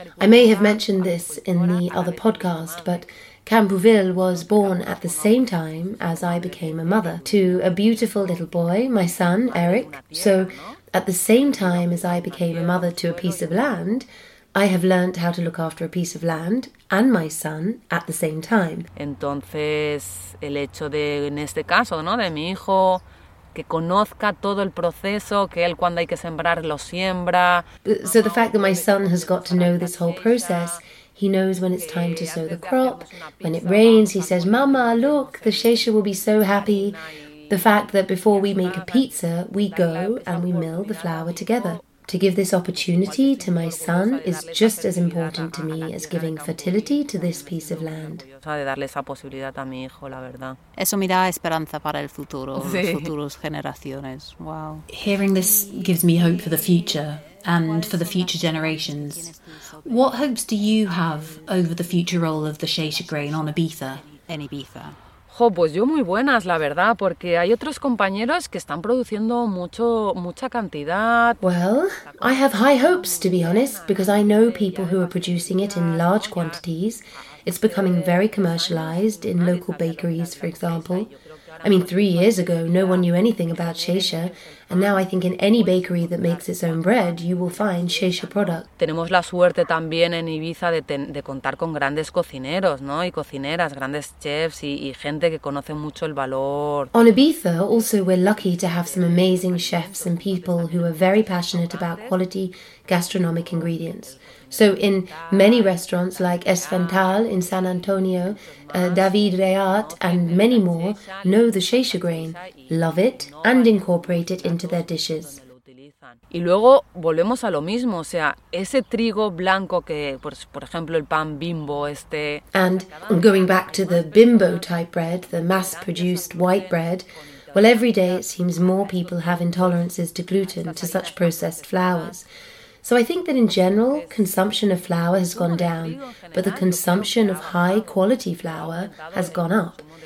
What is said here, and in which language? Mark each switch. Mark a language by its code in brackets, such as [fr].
[en] I may have mentioned this in the other podcast, but Campouville was born at the same time as I became a mother to a beautiful little boy, my son, Eric. So, at the same time as I became a mother to a piece of land, I have learnt how to look after a piece of land and my son at the same time. [es] Entonces, el hecho de, en este caso, ¿no?, de mi hijo, que conozca todo el proceso, que él cuando hay que sembrar, lo siembra. [en] So the fact that my son has got to know this whole process. He knows when it's time to sow the crop. When it rains, he says, Mama, look, the shisha will be so happy. The fact that before we make a pizza, we go and we mill the flour together. To give this opportunity to my son is just as important to me as giving fertility to this piece of land. [es] De darle esa posibilidad a mi hijo, la verdad. Eso me da esperanza para el futuro, sí. Las futuras generaciones. Wow. [en] Hearing this gives me hope for the future and for the future generations. What hopes do you have over the future role of the shisha grain on Ibiza? [es] En Ibiza. Jo, pues yo muy buenas, la verdad, porque hay otros compañeros que están produciendo mucha cantidad. [en] Well, I have high hopes, to be honest, because I know people who are producing it in large quantities. It's becoming very commercialized in local bakeries, for example. I mean, 3 years ago, no one knew anything about Shesha, and now I think in any bakery that makes its own bread, you will find Shesha product. [es] Tenemos la suerte también en Ibiza de contar con grandes cocineros, ¿no? Y cocineras, grandes chefs y gente que conoce mucho el valor. [en] On Ibiza, also, we're lucky to have some amazing chefs and people who are very passionate about quality gastronomic ingredients. So in many restaurants like Esfental in San Antonio, David Reart and many more know the shisha grain, love it and incorporate it into their dishes. [es] Y luego volvemos a lo mismo, o sea, ese trigo blanco que, por ejemplo, el pan Bimbo este. [en] And going back to the Bimbo type bread, the mass-produced white bread, well, every day it seems more people have intolerances to gluten, to such processed flours. So I think that in general, consumption of flour has gone down, but the consumption of high-quality flour has gone up.